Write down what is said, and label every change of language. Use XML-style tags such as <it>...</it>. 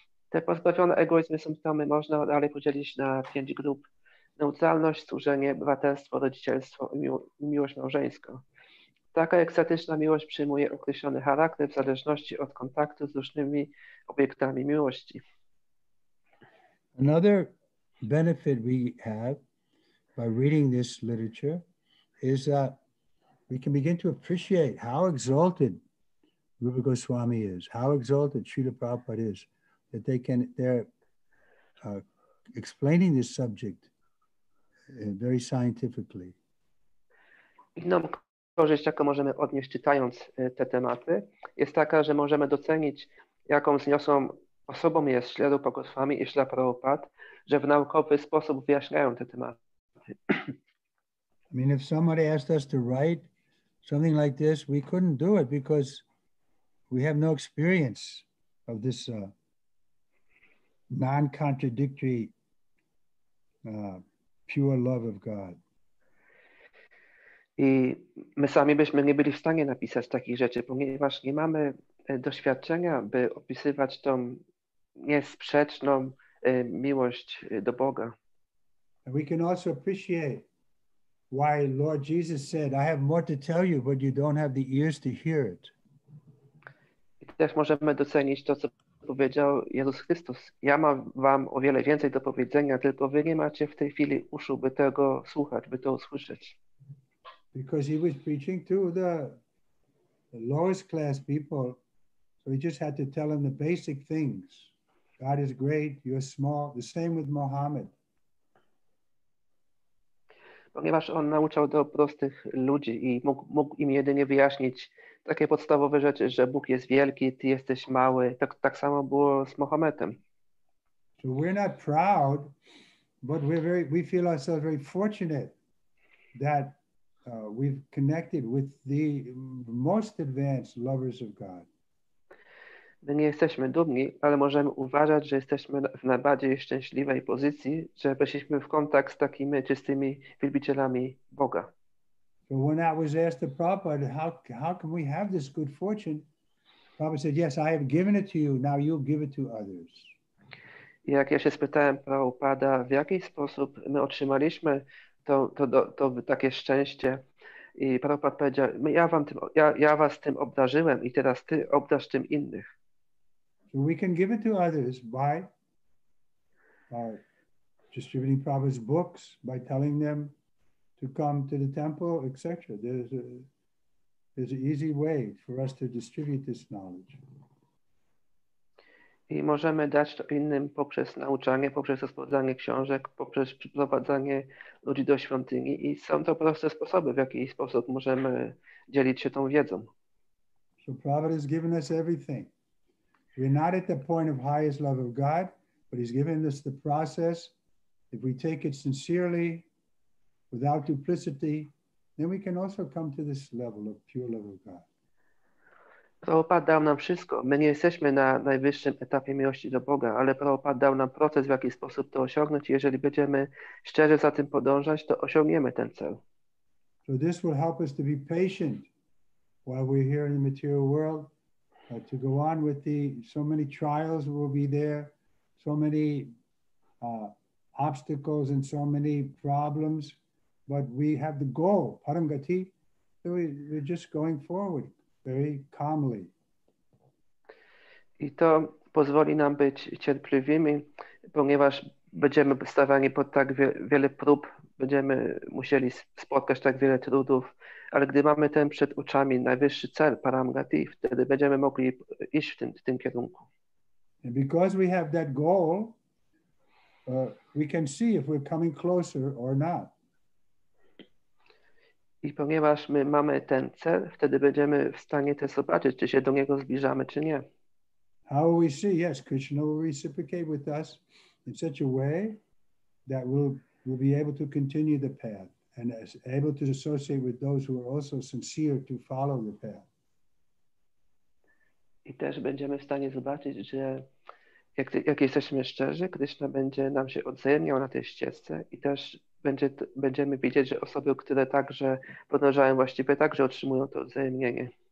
<pl>Te pozbawione egoizmu symptomy można dalej podzielić na pięć grup: neutralność, służenie, obywatelstwo, rodzicielstwo i miłość małżeńska. Taka ekstatyczna miłość przyjmuje określony charakter w zależności od kontaktu z różnymi obiektami miłości.</pl> <en>Another benefit we have by reading this literature is that we can begin to appreciate how exalted Rupa Goswami is, how exalted Srila Prabhupada is, that they're explaining this subject very scientifically.</en> <pl>Inną korzyść, jaką możemy odnieść czytając te tematy, jest taka, że możemy docenić, jaką wzniosłą osobą jest Srila Rupa Goswami i Srila Prabhupada, że w naukowy sposób wyjaśniają te tematy.</pl> <en>I mean, if somebody asked us to write something like this, we couldn't do it because we have no experience of this non-contradictory pure love of God.</en> <pl>I my sami byśmy nie byli w stanie napisać takich rzeczy, ponieważ nie mamy doświadczenia, by opisywać tą niesprzeczną miłość do Boga.</pl> <en>And we can also appreciate why Lord Jesus said, I have more to tell you, but you don't have the ears to hear it.</en> <pl>I też możemy docenić to, co powiedział Jezus Chrystus. Ja mam wam o wiele więcej do powiedzenia, tylko wy nie macie w tej chwili uszu, by tego słuchać, by to usłyszeć.</pl> <en>Because he was preaching to the lowest class people, so he just had to tell them the basic things. God is great, you're small, the same with Muhammad.</en> <pl>Ponieważ on nauczał do prostych ludzi i mógł im jedynie wyjaśnić takie podstawowe rzeczy, że Bóg jest wielki, ty jesteś mały. Tak samo było z Mohametem.</pl> <en>So we're not proud, but we feel ourselves very fortunate that we've connected with the most advanced lovers of God.</en> <pl>My nie jesteśmy dumni, ale możemy uważać, że jesteśmy w najbardziej szczęśliwej pozycji, że weszliśmy w kontakt z takimi czystymi wielbicielami Boga.</pl> <en>So when I was asked to Prabhupada, how can we have this good fortune? Prabhupada said, yes, I have given it to you, now you give it to others.</en> <pl>Jak ja się spytałem Prabhupada, w jaki sposób my otrzymaliśmy to takie szczęście, i Prabhupada powiedział, ja was tym obdarzyłem i teraz ty obdarz tym innych.</pl> <en>So we can give it to others by distributing Prabhupada's books, by telling them to come to the temple, etc. There's an easy way for us to distribute this knowledge.</en> <pl>I możemy dać to innym poprzez nauczanie, poprzez rozpowiadanie książek, poprzez przyprowadzanie ludzi do świątyni. I są to proste sposoby, w jaki sposób możemy dzielić się tą wiedzą.</pl> <en>So Prabhupada has given us everything. We're not at the point of highest love of God, but he's given us the process If we take it sincerely, without duplicity, then we can also come to this level of pure love of God.</en> <pl>Prawopad dał nam wszystko. My nie jesteśmy na najwyższym etapie miłości do Boga, ale Prawopad dał nam proces, w jaki sposób to osiągnąć. Jeżeli będziemy szczerze za tym podążać, to osiągniemy ten cel.</pl> <en>So this will help us to be patient while we're here in the material world, to go on with the so many trials will be there, so many obstacles and so many problems, but we have the goal, paramgati, so we're just going forward. Very calmly.</en> <pl>I to pozwoli nam być cierpliwymi, ponieważ będziemy stawani pod tak wiele prób, będziemy musieli spotkać tak wiele trudów, ale gdy mamy ten przed oczami najwyższy cel, paramgati, wtedy będziemy mogli iść w tym kierunku.</pl> <en>And because we have that goal, we can see if we're coming closer or not.</en> <pl>I ponieważ my mamy ten cel, wtedy będziemy w stanie też zobaczyć, czy się do niego zbliżamy, czy nie.</pl> <en>How will we see? Yes, Krishna will reciprocate with us in such a way that we'll be able to continue the path and as able to associate with those who are also sincere to follow the path.</en> <pl>I też będziemy w stanie zobaczyć, że jak jesteśmy szczerzy, Krishna będzie nam się odzajemniał na tej ścieżce i też będziemy widzieć, że osoby, które także podążają właściwie, także otrzymują to odzajemnienie.</pl>